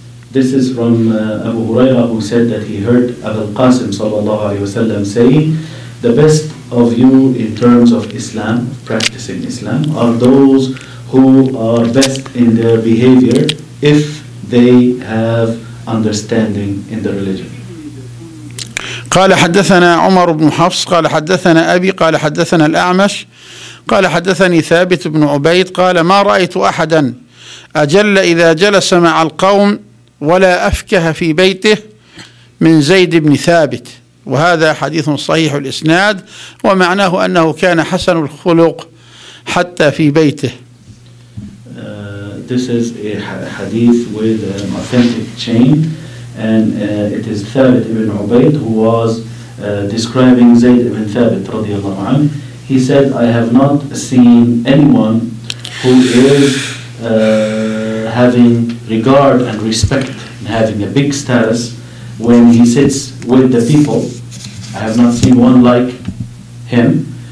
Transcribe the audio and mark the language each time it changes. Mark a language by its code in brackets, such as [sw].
[en] This is from Abu Huraira, who said that he heard Abu al-Qasim [ar] صلى الله عليه وسلم [en] saying, the best of you in terms of Islam, practicing Islam, are those who are best in their behavior if they have understanding in the religion. [ar] قال حدثنا عمر بن حفص قال حدثنا أبي قال حدثنا الأعمش قال حدثني ثابت بن عبيد قال ما رأيت أحدا أجل إذا جلس مع القوم ولا أفكه في بيته من زيد بن ثابت وهذا حديث صحيح الإسناد ومعناه أنه كان حسن الخلق حتى في بيته. [en] This is a hadith with an authentic chain. And it is Thabit ibn Ubayd who was describing Zayd ibn Thabit radiallahu anhu. He said, I have not seen anyone who is having regard and respect and having a big status when he sits with the people. I have not seen one like him.